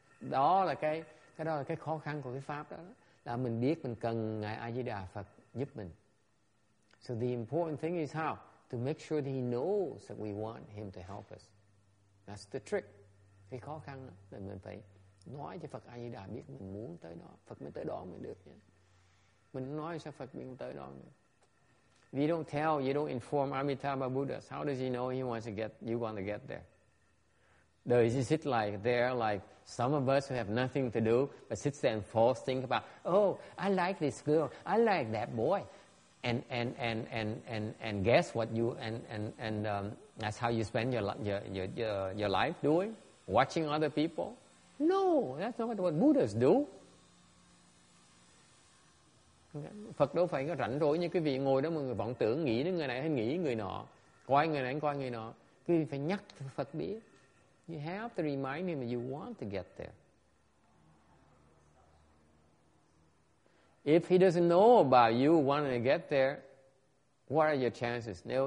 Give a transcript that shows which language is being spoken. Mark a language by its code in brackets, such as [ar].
[vi] Đó là cái khó khăn của cái pháp đó. Là mình biết mình cần ngài A Di Đà Phật giúp mình. [en] So the important thing is how? To make sure that he knows that we want him to help us. That's the trick. [vi] Cái khó khăn là mình phải nói cho Phật A Di Đà biết mình muốn tới đó. Phật mới tới đó mình được. Mình nói cho Phật mình tới đó. [en] If you don't tell, you don't inform Amitabha Buddha, how does he know you want to get there? Does he sit like there, like some of us who have nothing to do, but sits there and falls, think about, oh, I like this girl, I like that boy. And guess what you and that's how you spend your life doing, watching other people. No, that's not what Buddhas do. [vi] Phật đâu phải có rảnh rỗi như quý vị ngồi đó mà người vọng tưởng nghĩ đến người này hay nghĩ người nọ, coi người này coi người nọ. Quý vị phải nhắc Phật biết. [en] You have to remind him that you want to get there. If he doesn't know about you wanting to get there, what are your chances?